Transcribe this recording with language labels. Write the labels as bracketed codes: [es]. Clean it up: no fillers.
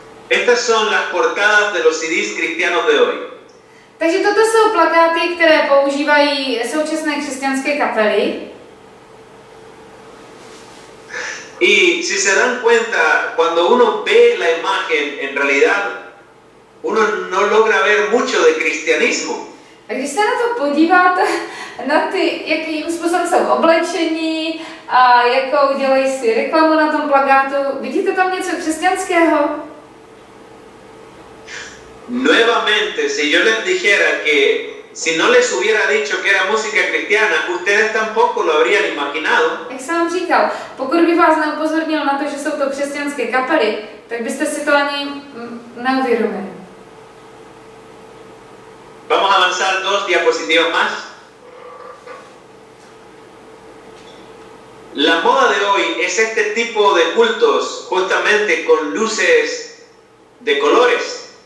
[es] Estas son las portadas de los CDs cristianos de hoy. [cs] Takže toto jsou plakáty, které používají současné křesťanské kapely. [es] Y si se dan cuenta, cuando uno ve la imagen, en realidad, uno no logra ver mucho de cristianismo. [cs] A když se na to podíváte, na ty, jakým způsobem jsou oblečení, a jakou dělají si reklamu na tom plakátu, vidíte tam něco křesťanského? [es] Nuevamente, si yo les dijera que si no les hubiera dicho que era música cristiana, ustedes tampoco lo habrían imaginado. [cs] Jak jsem vám říkal, pokud by vás neupozornil na to, že jsou to křesťanské kapely, tak byste si to ani neuvědomili. [es] Vamos a avanzar dos diapositivas más. La moda de hoy es este tipo de cultos, justamente con luces de colores.